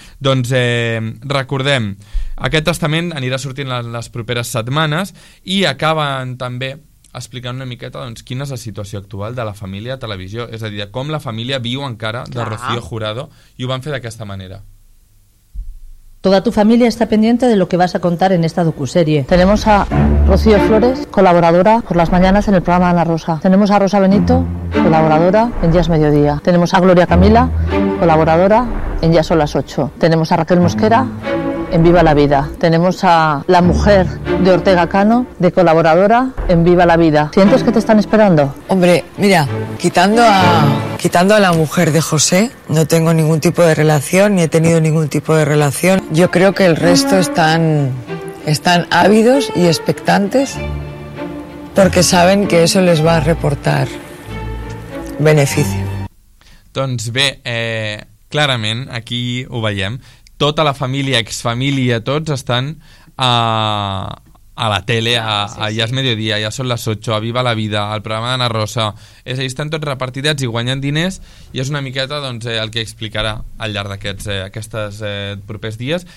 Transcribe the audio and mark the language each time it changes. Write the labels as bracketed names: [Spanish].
[Catalan] Doncs recordem, aquest testament anirà sortint les properes setmanes i acaben també explicant una miqueta doncs, quina és la situació actual de la família a televisió, és a dir, com la família viu encara de Rocío Jurado, i ho van fer d'aquesta manera. [Spanish] Toda tu familia está pendiente de lo que vas a contar en esta docuserie. Tenemos a Rocío Flores, colaboradora por las mañanas en el programa Ana Rosa. Tenemos a Rosa Benito, colaboradora en Días Mediodía. Tenemos a Gloria Camila, colaboradora en Ya son las 8. Tenemos a Raquel Mosquera en Viva la Vida. Tenemos a la mujer de Ortega Cano, de colaboradora en Viva la Vida. ¿Sientes que te están esperando? Hombre, mira, quitando a la mujer de José, no tengo ningún tipo de relación, ni he tenido ningún tipo de relación. Yo creo que el resto están ávidos y expectantes porque saben que eso les va a reportar beneficio. [Catalan] Doncs bé, clarament, aquí ho veiem, tota la família, exfamília, tots estan a la tele, ja és mediodia, ja són les 8, a Viva la Vida, al programa d'Anna Rosa. És a dir, estan tots repartidets i guanyen diners, i és una miqueta doncs, el que explicarà al llarg d'aquestes propers dies.